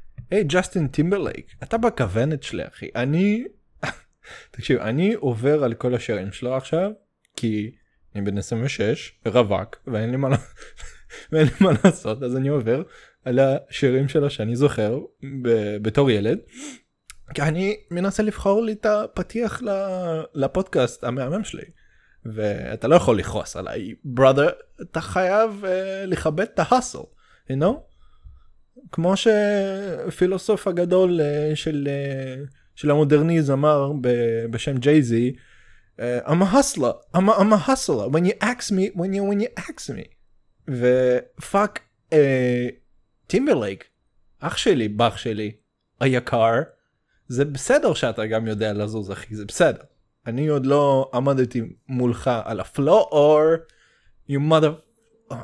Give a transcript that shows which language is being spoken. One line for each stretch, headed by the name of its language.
Hebrew: היי, ג'סטין טימברלייק, אתה בכוונת שלי, אחי. אני, תקשיב, אני עובר על כל השירים שלו עכשיו, כי אני בן 26, רווק, ואין לי מה, ואין לי מה לעשות, אז אני עובר על השירים שלו שאני זוכר בתור ילד. כי אני מנסה לבחור לי את הפתיח לפודקאסט המאמם שלי. ואתה לא יכול לכעוס עליי,
English: brother,
Hebrew: אתה חייב לכבד את ההסל,
English: you know?
Hebrew: כמו שפילוסוף הגדול של המודרניז אמר בשם ג'י-זי,
English: I'm a hustler, I'm a hustler, when you ask me, when you ask me.
Hebrew: ופאק, טימברלייק, אח שלי, בח שלי, היקר, זה בסדר שאתה גם יודע לזוז, אחי, זה בסדר. אני עוד לא עמדתי מולך על הפלואור,
English: you mother...